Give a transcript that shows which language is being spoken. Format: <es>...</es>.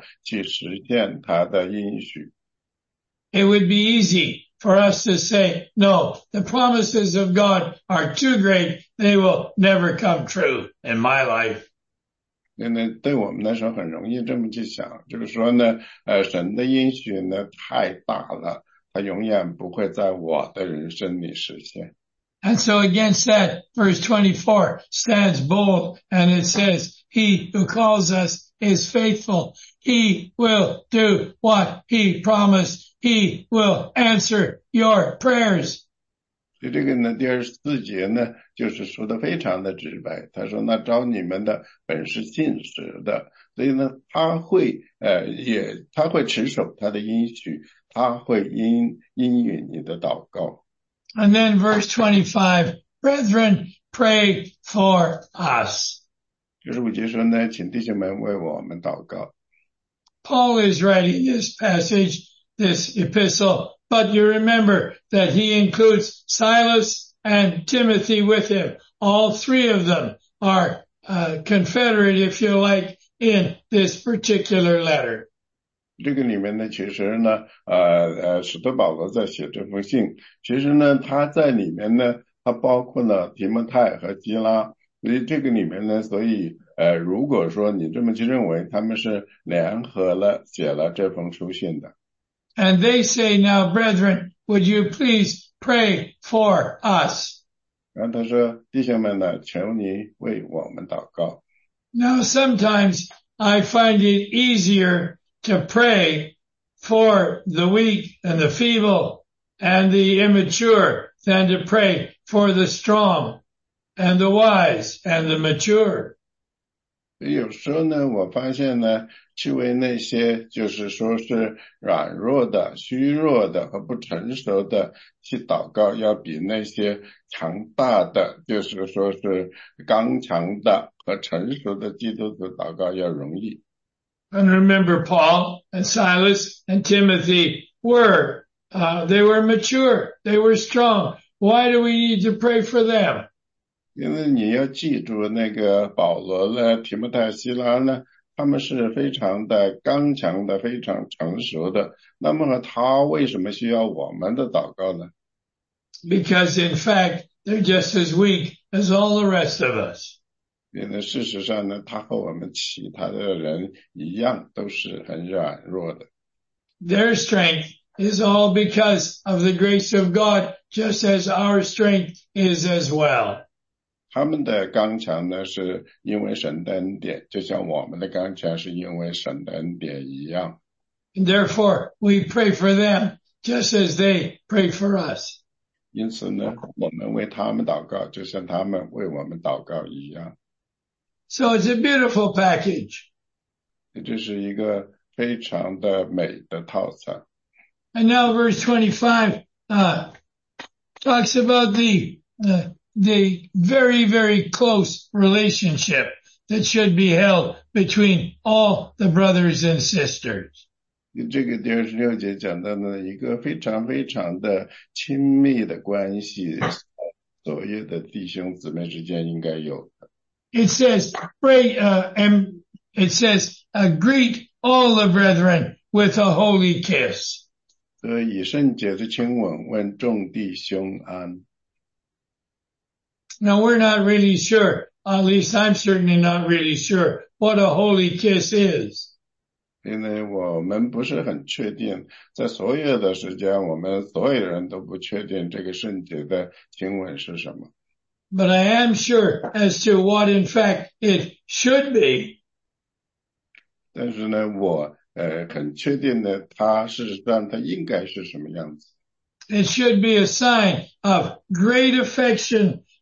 <zh>其中一件非常的是,主呢,他是信实的,去实现他的应许。</zh> <en>It would be easy for us to say, no, the promises of God are too great, they will never come true in my life.</en> <zh>对我们那时候很容易这么去想,就是说呢,神的应许呢,太大了。他永远不会在我的人生里实现。</zh> <en>And so against that, verse 24 stands bold and it says, He who calls us is faithful. He will do what he promised. He will answer your prayers.</en> <zh>这个呢，第24节呢，就是说的非常的直白。他说：“那照你们的本是信实的，所以呢，他会持守他的应许，他会应允你的祷告。”</zh> <en>And then verse 25, brethren, pray for us.</en> <zh>第十五节说呢，请弟兄们为我们祷告。</zh> <en>Paul is writing this passage, this epistle, but you remember that he includes Silas and Timothy with him. All three of them are confederate, if you like, in this particular letter.</en> <zh>这个里面呢，其实呢，使徒保罗在写这封信，其实呢，他在里面呢，他包括了提摩太和基拉。所以这个里面呢，所以如果说你这么去认为，他们是联合了写了这封书信的。</zh> <en>And they say now, brethren, would you please pray for us?</en> <zh>然后他说，弟兄们呢，求你为我们祷告。</zh> <en>Now sometimes I find it easier to pray for the weak and the feeble and the immature than to pray for the strong. And the wise and the mature.</en> <zh>有时候呢，我发现呢，去为那些就是说是软弱的、虚弱的和不成熟的去祷告，要比那些强大的，就是说是刚强的和成熟的基督徒祷告要容易。</zh> <en>And remember, Paul and Silas and Timothy were mature, they were strong. Why do we need to pray for them?</en> <zh>因为你要记住那个保罗呢提摩太希拉呢他们是非常的刚强的非常成熟的那么他为什么需要我们的祷告呢</zh> <en>Because in fact, they're just as weak as all the rest of us.</en> <zh>因为事实上呢他和我们其他的人一样都是很软弱的。</zh> <en>Their strength is all because of the grace of God, just as our strength is as well.</en> <zh>他们的刚强呢是因为神的恩典就像我们的刚强是因为神的恩典一样。</zh> <en>Therefore, we pray for them just as they pray for us.</en> <zh>因此呢我们为他们祷告就像他们为我们祷告一样。</zh> <en>So it's a beautiful package.</en> <zh>这是一个非常的美的套餐。</zh> <en>And now verse 25, talks about the very, very close relationship that should be held between all the brothers and sisters.</en> <zh>这个第二十六节讲到呢一个非常非常的亲密的关系所有的弟兄姊妹之间应该有的。</zh> <en>It says, greet all the brethren with a holy kiss.</en> <zh>以圣洁的亲吻问众弟兄安。</zh> <en>Now we're not really sure, at least I'm certainly not really sure, what a holy kiss is.</en> <zh>因为我们不是很确定，在所有的时间，我们所有人都不确定这个圣洁的亲吻是什么。</zh> <en>But I am sure as to what in fact it should be.</en> <zh>但是呢，我很确定的，它事实上它应该是什么样子。</zh> <en>It should be a sign of great affection.</en>